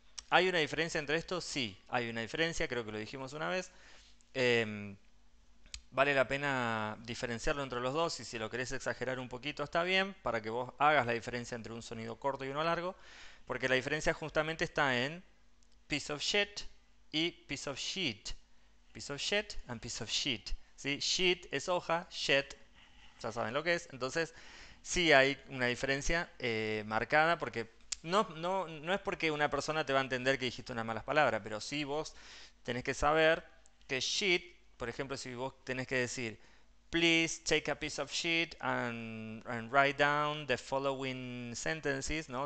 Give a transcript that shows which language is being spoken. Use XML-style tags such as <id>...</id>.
<es>¿Hay una diferencia entre estos? Sí, hay una diferencia, creo que lo dijimos una vez. Vale la pena diferenciarlo entre los dos y si lo querés exagerar un poquito está bien para que vos hagas la diferencia entre un sonido corto y uno largo, porque la diferencia justamente está en</es> <en>piece of shit</en> <es>y</es> <en>piece of sheet. Piece of shit and piece of sheet.</en> <es>¿Sí? Sheet es hoja, shit, ya saben lo que es. Entonces, sí hay una diferencia marcada porque... No, no, no es porque una persona te va a entender que dijiste unas malas palabras, pero sí vos tenés que saber que shit, por ejemplo, si vos tenés que decir</es> <en>Please take a piece of sheet and write down the following sentences,</en> <es>¿no?</es>